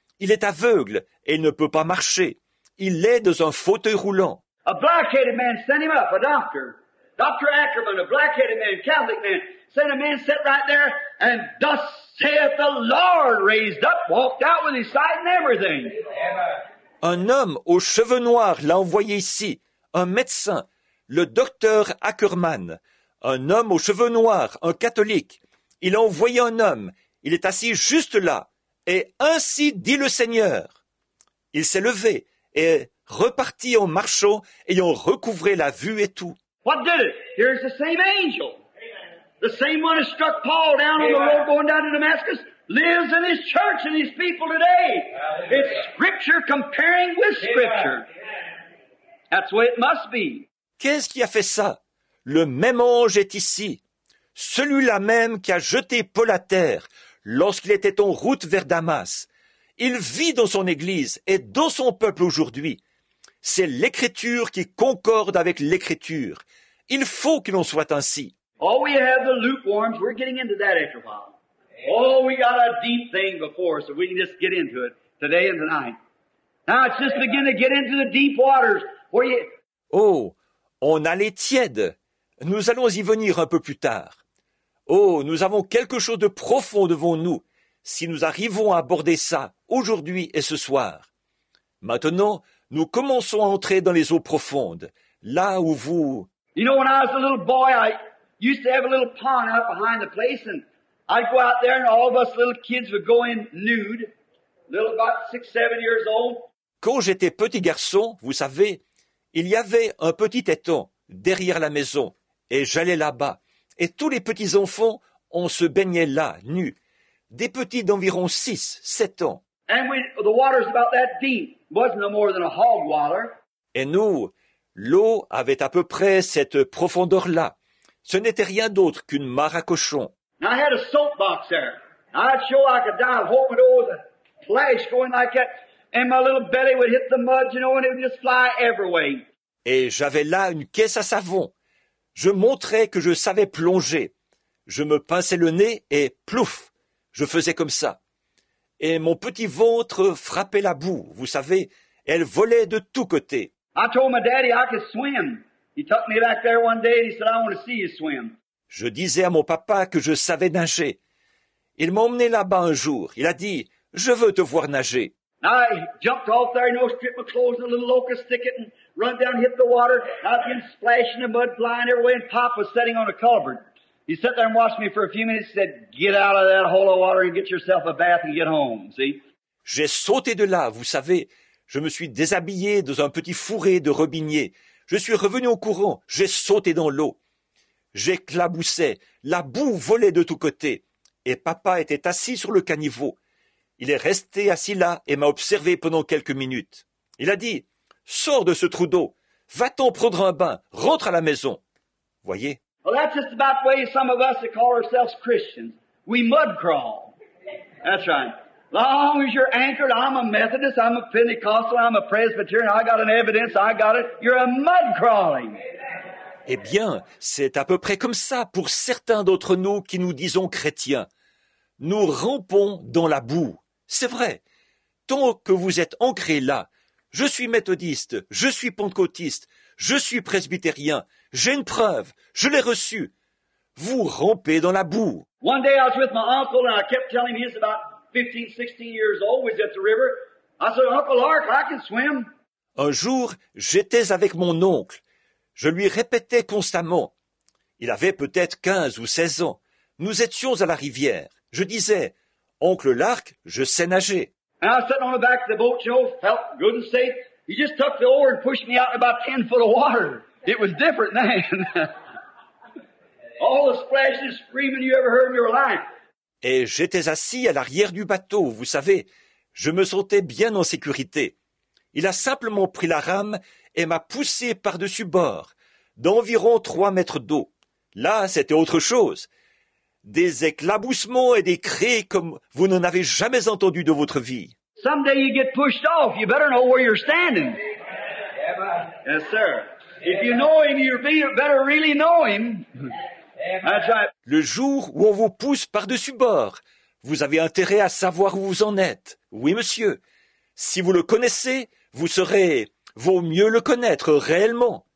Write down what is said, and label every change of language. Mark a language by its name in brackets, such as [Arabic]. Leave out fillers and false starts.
[French] Il est aveugle et ne peut pas marcher. Il est dans un fauteuil roulant. [English] A black-headed man, send him up, a doctor. Dr. Ackerman, a black-headed man, Catholic man. Send a man sit right there, and thus saith the Lord, raised up, walked out with his sight and everything. [French] Un homme aux cheveux noirs l'a envoyé ici, un médecin, le docteur Ackerman. Un homme aux cheveux noirs, un catholique. Il a envoyé un homme, il est assis juste là, et ainsi dit le Seigneur. Il s'est levé et reparti en marchant, ayant recouvré la vue et tout. [English] What did it? Here's the same angel. The same one who struck Paul down on the road going down to Damascus lives in his church and his people today. It's scripture comparing with scripture. That's the way it must be. [French] Qu'est-ce qui a fait ça? Le même ange est ici. Celui-là même qui a jeté Paul à terre lorsqu'il était en route vers Damas. Il vit dans son église et dans son peuple aujourd'hui. C'est l'écriture qui concorde avec l'écriture. Il faut qu'il en soit ainsi. [English] Oh, we have the lukewarms. We're getting into that after a while. Oh, we got a deep thing before us, so we can just get into it today and tonight. Now it's just beginning to get into the deep waters. [French] Oh, on a les tièdes. Nous allons y venir un peu plus tard. Oh, nous avons quelque chose de profond devant nous si nous arrivons à aborder ça aujourd'hui et ce soir. Maintenant, nous commençons à entrer dans les eaux profondes, là où vous... [English] You know, when I was a little boy, I used to have a little pond out behind the place, and I'd go out there, and all of us little kids would go in nude, little about 6-7 years old. [French] Quand j'étais petit garçon, vous savez, il y avait un petit étang derrière la maison, et j'allais là-bas, et tous les petits enfants, on se baignait là, nus, des petits d'environ 6-7 ans. [English] And the water's about that deep. Wasn't no more than a hog water. [French] Et nous, l'eau avait à peu près cette profondeur-là. Ce n'était rien d'autre qu'une mare à cochons. [English] Now I had a soap box there. I'd show I could die, hope it was a flash going like that, and my little belly would hit the mud, you know, and it would just fly everywhere. [French] Et j'avais là une caisse à savon. Je montrais que je savais plonger. Je me pinçais le nez et plouf, je faisais comme ça. Et mon petit ventre frappait la boue, vous savez, elle volait de tous côtés. [English] I told my daddy I could swim. He took me back there one day and he said, I want to see you swim. [French] Je disais à mon papa que je savais nager. Il m'a emmené là-bas un jour. Il a dit, je veux te voir nager. [English] I jumped off there, you know, stripped my clothes in a little locust thicket and run down, hit the water. I've been splashing the mud, flying everywhere, and Pop was sitting on a culvert. He sat there and watched me for a few minutes, said, get out of that hole of water and get yourself a bath and get home, see? [French] J'ai sauté de là, vous savez. Je me suis déshabillé dans un petit fourré de robinier. Je suis revenu au courant. J'ai sauté dans l'eau. J'éclaboussais. La boue volait de tous côtés. Et papa était assis sur le caniveau. Il est resté assis là et m'a observé pendant quelques minutes. Il a dit, « Sors de ce trou d'eau. Va-t'en prendre un bain. Rentre à la maison. » Voyez. [English] Well, that's just about the way some of us that call ourselves Christians. We mud crawl. That's right. Long as you're anchored, I'm a Methodist, I'm a Pentecostal, I'm a Presbyterian, I got an evidence, I got it. You're a mud crawling. [French] Eh bien, c'est à peu près comme ça pour certains d'entre nous qui nous disons chrétiens. Nous rampons dans la boue. C'est vrai. Tant que vous êtes ancrés là, je suis méthodiste, je suis pentecôtiste, je suis presbytérien, j'ai une preuve, je l'ai reçue. Vous rampez dans la boue. [English] One day I was with my uncle and I kept telling him he's about 15, 16 years old, was at the river. I said, Uncle Ark, I can swim. [French] Un jour, j'étais avec mon oncle. Je lui répétais constamment. Il avait peut-être 15 ou 16 ans. Nous étions à la rivière. Je disais, Oncle Lark, je sais nager. [English] And I sat on the back of the boat, Joe, felt good and safe. He just took the oar and pushed me out in about 10 foot of water. It was different then. All the splashes, screaming you ever heard in your life. [French] Et j'étais assis à l'arrière du bateau, vous savez. Je me sentais bien en sécurité. Il a simplement pris la rame et m'a poussé par-dessus bord, d'environ 3 mètres d'eau. Là, c'était autre chose. Des éclaboussements et des cris comme vous n'en avez jamais entendu de votre vie. [English] Someday you get pushed off, you better know where you're standing. Yes, sir. If you know him, you better really know him. That's right. [French] Le jour où on vous pousse par-dessus bord, vous avez intérêt à savoir où vous en êtes. Oui, monsieur. Si vous le connaissez, vous serez... Vaut mieux le connaître réellement.